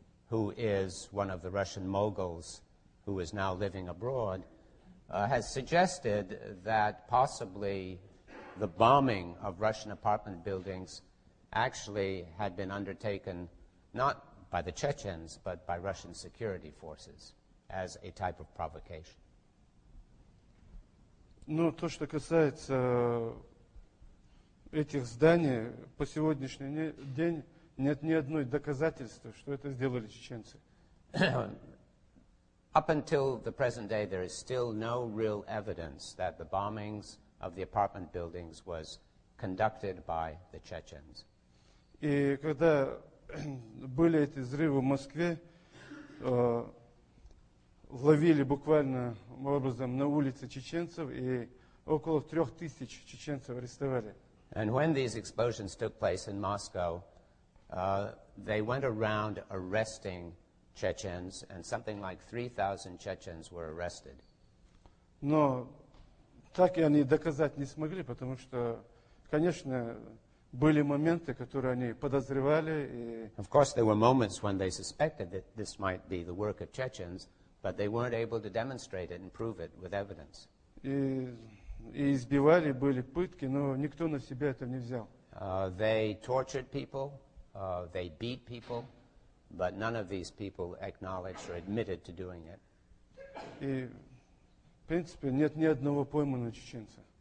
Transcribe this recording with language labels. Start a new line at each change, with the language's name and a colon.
English: who is one of the Russian moguls who is now living abroad, has suggested that possibly the bombing of Russian apartment buildings actually had been undertaken not by the Chechens, but by Russian security forces as a type of provocation.
Russian: Ну, то, что касается этих зданий, по сегодняшний день нет ни одной доказательства, что это сделали чеченцы.
English: Up until the present day, there is still no real evidence that the bombings of the apartment buildings was conducted by the Chechens.
Russian: И когда были эти взрывы в Москве, ловили буквально образом на улице чеченцев и около 3000 чеченцев арестовали.
English: And when these explosions took place in Moscow, they went around arresting Chechens, and something like 3,000 Chechens were arrested.
Russian: Но так и они доказать не смогли, потому что, конечно, были моменты, которые они подозревали. И...
English: Of course, there were moments when they suspected that this might be the work of Chechens, but they weren't able to demonstrate it and prove it with evidence.
Russian: И избивали, были пытки, но никто на себя это не взял.
English: They tortured people, they beat people, but none of these people acknowledged or admitted to doing it.
Russian: И, в принципе, нет ни одного пойманного чеченца.